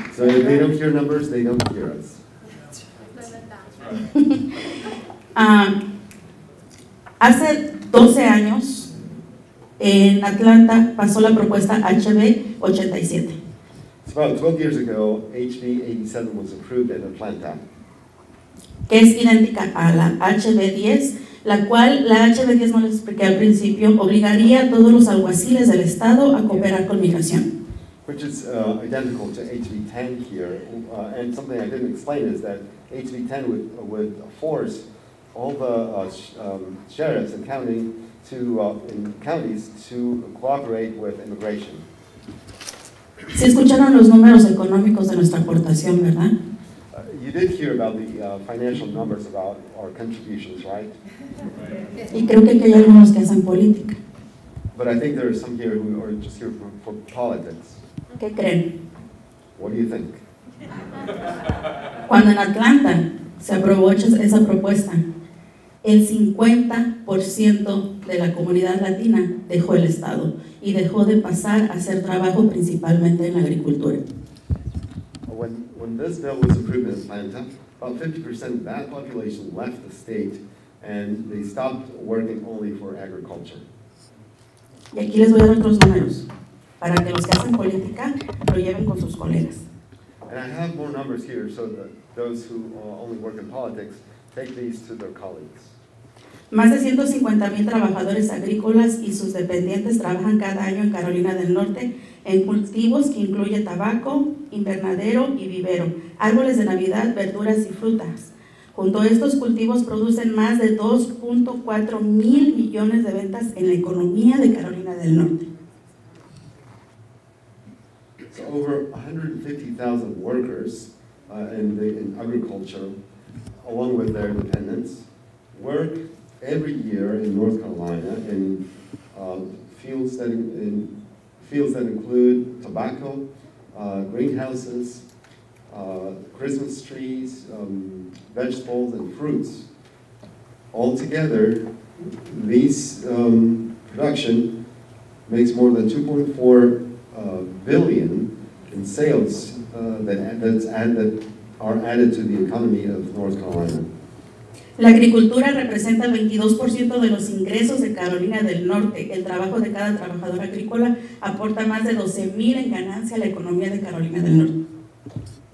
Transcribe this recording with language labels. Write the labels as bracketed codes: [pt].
[en] So if they don't hear numbers, they don't hear us. [es] Hace 12 años, en Atlanta, pasó la propuesta HB 87. [en] It's about 12 years ago, HB 87 was approved in Atlanta. [es] Que es idéntica a la HB 10, la cual, la HB 10, no les expliqué al principio, obligaría a todos los alguaciles del estado a cooperar con migración. [en] Which is identical to HB 10 here, and something I didn't explain is that HB 10 would force all the sheriffs and counties to cooperate with immigration. [es] Si escucharon los números económicos de nuestra aportación, ¿verdad? [en] You did hear about the financial numbers about our contributions, right? [es] Y creo que aquí hay algunos que hacen política. [en] But I think there are some here who are just here for politics. [es] ¿Qué creen? [en] What do you think? [es] Cuando en Atlanta se aprobó esa propuesta, el 50% de la comunidad latina dejó el estado y dejó de pasar a hacer trabajo principalmente en la agricultura. [en] When this bill was approved in Atlanta, about 50% of that population left the state and they stopped working only for agriculture. [es] Y aquí les voy a dar otros números para que los que hacen política lo lleven con sus colegas. [en] And I have more numbers here so that those who only work in politics take these to their colleagues. [es] Más de 150,000 trabajadores agrícolas y sus dependientes trabajan cada año en Carolina del Norte en cultivos que incluye tabaco, invernadero y vivero, árboles de Navidad, verduras y frutas. Junto a estos cultivos producen más de 2.4 mil millones de ventas en la economía de Carolina del Norte. [en] So over 150,000 workers in agriculture, along with their dependents, work every year in North Carolina in fields that include tobacco, greenhouses, Christmas trees, vegetables, and fruits. Altogether, these production makes more than $2.4 billion in sales that are added to the economy of North Carolina. [es] La agricultura representa el 22% de los ingresos de Carolina del Norte. El trabajo de cada trabajador agrícola aporta más de 12,000 en ganancia a la economía de Carolina del Norte.